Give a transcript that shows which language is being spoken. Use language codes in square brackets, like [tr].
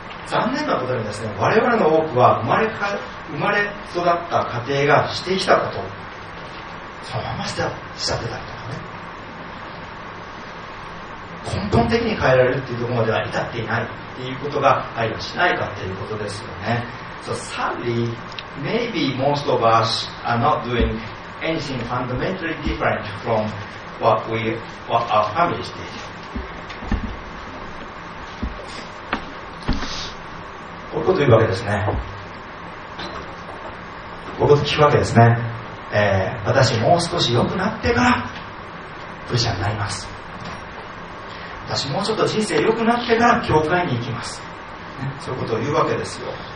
[ja] 残念なことにですね、我々の多くは生まれ育った家庭がしてきたことそのまましてしちゃってたりとかね、根本的に変えられるっていうところまでは至っていないっていうことが愛をしないかっていうことですよね。 [en] So sadly, maybe most of us are not doing anything fundamentally different from what our families did. [ja] こういうこと言うわけですね。こういうこと聞くわけですね、私もう少し良くなってからクリスチャンになります、私もうちょっと人生良くなってから教会に行きます、ね、そういうことを言うわけですよ。